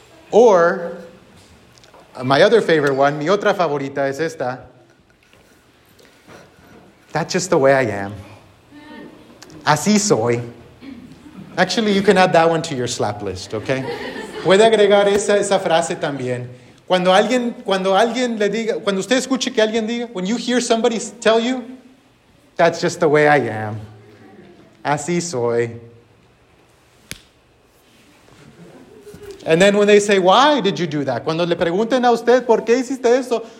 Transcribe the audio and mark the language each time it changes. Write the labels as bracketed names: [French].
[English] Or, my other favorite one, [Spanish] mi otra favorita es esta. [English] That's just the way I am. [Spanish] Así soy. [English] Actually, you can add that one to your slap list, okay? [Spanish] Puede agregar esa frase también. Cuando alguien le diga, cuando usted escuche que alguien diga, [English] when you hear somebody tell you, that's just the way I am. [Spanish] Así soy. [English] And then when they say, why did you do that? [Spanish] Cuando le pregunten a usted, ¿por qué hiciste eso?